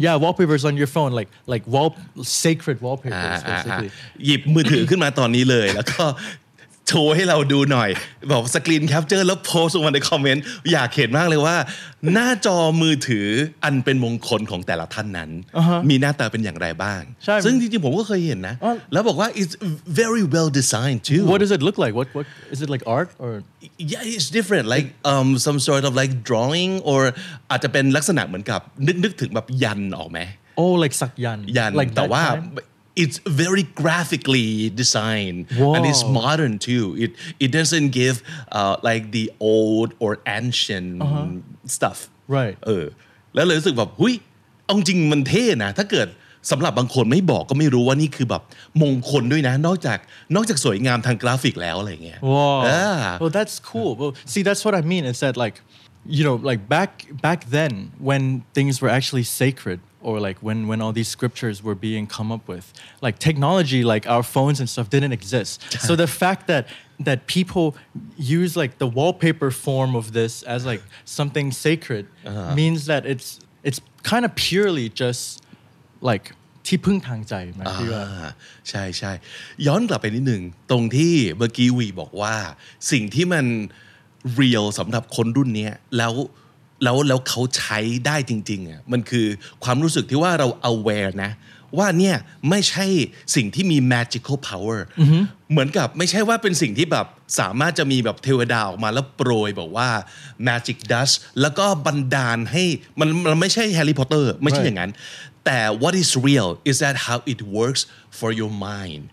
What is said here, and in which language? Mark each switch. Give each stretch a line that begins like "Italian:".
English: yeah wallpapers on your phone like wall sacred wallpapers basically
Thai: หยิบมือถือขึ้นมาตอนนี้เลยแล้วก็โชว์ให้เราดูหน่อยบอกสกรีนแคปเจอร์แล้วโพสต์ลงมาในคอมเมนต์อยากเห็นมากเลยว่าหน้าจอมือถืออันเป็นมงคลของแต่ละท่านนั้นมีหน้าตาเป็นอย่างไรบ้าง ใช่ ซึ่งจริงๆผมก็เคยเห็นนะแล้วบอกว่า
English: it's very well designed too what does it look like what is it like art or yeah it's different like some sort of like drawing or
Thai: อาจจะเป็นลักษณะเหมือนกับนึกถึงแบบยันออกไหม
English: oh like สักยัน
Thai: ยันแต่ว่า
English: It's very graphically designed Whoa. And it's modern too. It doesn't give like the old or ancient stuff. Right.
Thai: แล้วเลยรู้สึกแบบเฮ้ยเอาจริงมันเท่นะถ้าเกิดสำหรับบางคนไม่บอกก็ไม่รู้ว่านี่คือแบบมงคลด้วยนะนอกจากสวยงามทางกราฟิกแล้วอะไรเงี้ย
English: Wow. Well, that's cool. Well, see, that's what I mean. It's that like, you know, like back then when things were actually sacred. Or like when all these scriptures were being come up with, like technology, like our phones and stuff didn't exist. So the fact that people use like the wallpaper form of this as like something sacred means that it's kind of purely just like
Thai: ที่พึ่งทางใจไหม ที่ว่าใช่ใช่ย้อนกลับไปนิดนึงตรงที่เมื่อกี้วีบอกว่าสิ่งที่มัน real สำหรับคนรุ่นนี้แล้วเขาใช้ได้จริงๆอ่ะมันคือความรู้สึกที่ว่าเรา aware นะว่าเนี่ยไม่ใช่สิ่งที่มี magical power เหมือนกับไม่ใช่ว่าเป็นสิ่งที่แบบสามารถจะมีแบบเทวดาออกมาแล้วโปรยบอกว่า magic dust แล้วก็บันดาลให้มันไม่ใช่ Harry Potter ไม่ใช่อย่างนั้นแต่
English: what is real is that how it works for your mind